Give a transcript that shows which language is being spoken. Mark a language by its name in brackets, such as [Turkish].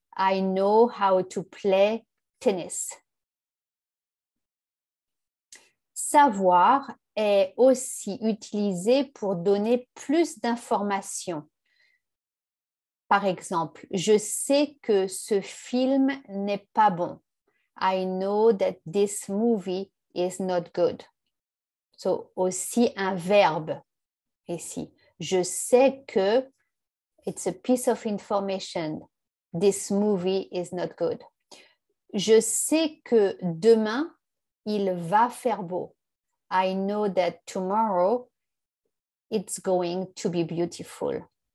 [English] I know how to play tennis. [French] Savoir est aussi utilisé pour donner plus d'informations. Par exemple, je sais que ce film n'est pas bon. [English] I know that this movie is not good. [French] So, aussi un verbe ici. Je sais que [English] it's a piece of information. This movie is not good. [French] Je sais que demain, il va faire beau. [English] I know that tomorrow, it's going to be beautiful.